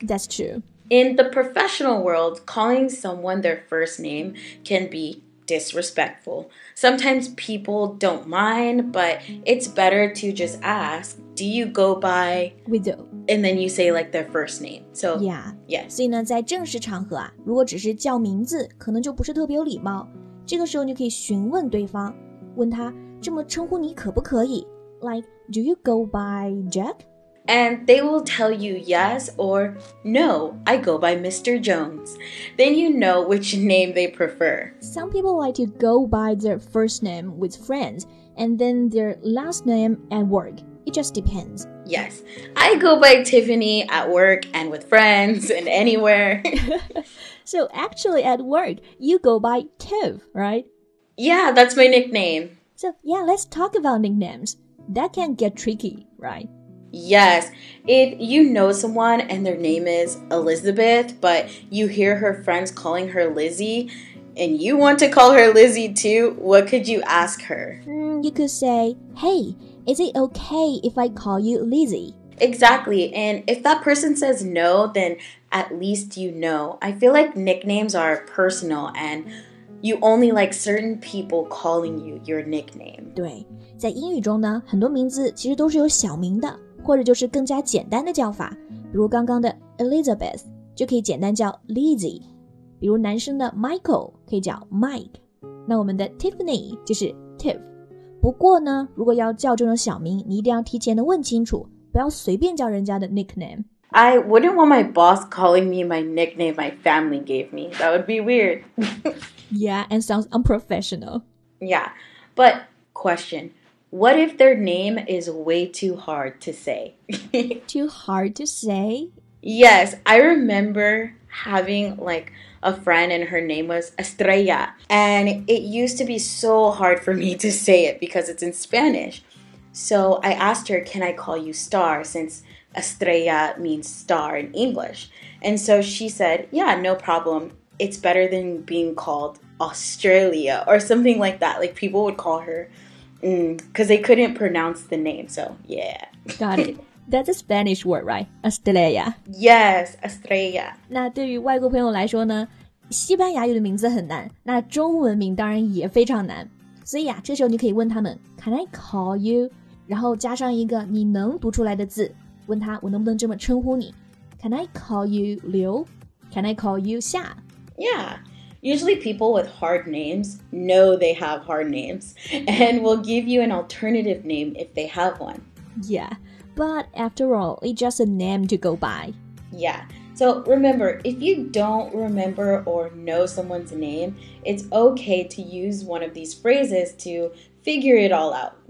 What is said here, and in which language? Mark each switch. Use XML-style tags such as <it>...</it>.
<en>That's true. In the professional world, calling someone their first name can bedisrespectful. Sometimes people don't mind, but it's better to just ask, do you go by? We do. And then you say like their first name. So, yeah. Yes.</en> <zh>所以呢，在正式场合啊，如果只是叫名字，可能就不是特别有礼貌。这个时候你可以询问对方，问他这么称呼你可不可以？</zh> <en>Like, do you go by Jack? And they will tell you yes or no, I go by Mr. Jones. Then you know which name they prefer. Some people like to go by their first name with friends and then their last name at work. It just depends. Yes, I go by Tiffany at work and with friends and anywhere. So actually at work, you go by Tiff, right? Yeah, that's my nickname. So yeah, let's talk about nicknames. That can get tricky, right? Yes, if you know someone and their name is Elizabeth, but you hear her friends calling her Lizzie, and you want to call her Lizzie too, what could you ask her? You could say, hey, is it okay if I call you Lizzie? Exactly, and if that person says no, then at least you know. I feel like nicknames are personal, and you only like certain people calling you your nickname.</en> <zh>对，在英语中呢，很多名字其实都是有小名的。或者就是更加简单的叫法，比如刚刚的 Elizabeth 就可以简单叫 Lizzie， 比如男生的 Michael 可以叫 Mike， 那我们的 Tiffany 就是 Tiff。不过呢，如果要叫这种小名，你一定要提前的问清楚，不要随便叫人家的 nickname。</zh> <en>I wouldn't want my boss calling me my nickname my family gave me. That would be weird. Yeah, and sounds unprofessional. Yeah, but questionWhat if their name is way too hard to say? Too hard to say? Yes, I remember having like a friend and her name was Estrella. And it used to be so hard for me to say it because it's in Spanish. So I asked her, can I call you Star? Since Estrella means star in English. And so she said, yeah, no problem. It's better than being called Australia or something like that. Like people would call herbecause they couldn't pronounce the name, so yeah. Got it. That's a Spanish word, right? Estrella. Yes, Estrella.</en> <zh>那对于外国朋友来说呢，西班牙语的名字很难，那中文名当然也非常难。所以啊，这时候你可以问他们 ,</zh> <en>Can I call you?</en> <zh>然后加上一个你能读出来的字，问他我能不能这么称呼你。</zh> <en>Can I call you</en> <zh>刘? Can I call you 夏?</zh> <en>Yeah, Usually people with hard names know they have hard names and will give you an alternative name if they have one. Yeah, but after all, it's just a name to go by. Yeah, so remember, if you don't remember or know someone's name, it's okay to use one of these phrases to figure it all out.</en>